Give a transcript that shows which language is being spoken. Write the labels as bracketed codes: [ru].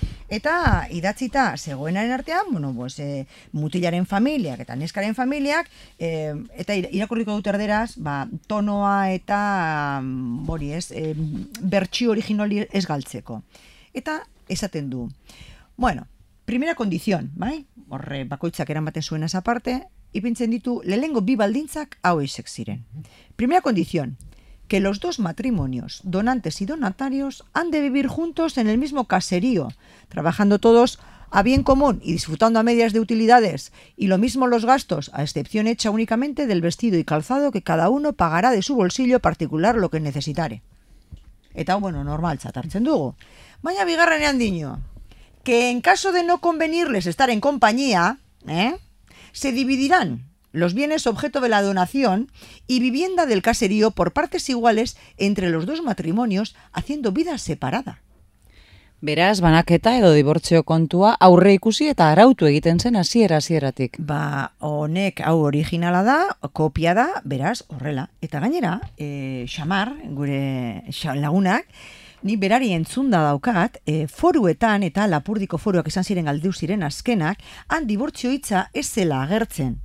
[eu] Eta idatzita zegoenaren artean, bueno, pues, mutilaren familiak eta neskaren familiak, eta irakurriko dut erderaz, ba, tonoa eta hori ez, bertsio originali ez galtzeko. Eta esaten du, bueno, [es] primera kondizion, [eu] bai? Horre, bakoitzak eramaten zuen ez aparte, ipintzen ditu lehengo bi baldintzak hauexek ziren. [es] Primera kondizion, que los dos matrimonios, donantes y donatarios, han de vivir juntos en el mismo caserío, trabajando todos a bien común y disfrutando a medias de utilidades, y lo mismo los gastos, a excepción hecha únicamente del vestido y calzado que cada uno pagará de su bolsillo particular lo que necesitare. [eu] Eta, bueno, normal, txatartzen dugu. Baina bigarrenean diño, [es] que en caso de no convenirles estar en compañía, se dividirán los bienes objeto de la donación y vivienda del caserío por partes iguales entre los dos matrimonios haciendo vida separada. [eu] Beraz, banaketa edo dibortzio kontua aurre ikusi eta arautu egiten zen hasieratik. Ba, honek hau originala da, kopia da, beraz, horrela. Eta gainera, Xamar, gure lagunak, Ni berari entzunda daukat, foruetan eta Lapurdiko foruak izan ziren galdu ziren azkenak, han dibortzio hitza ez zela agertzen.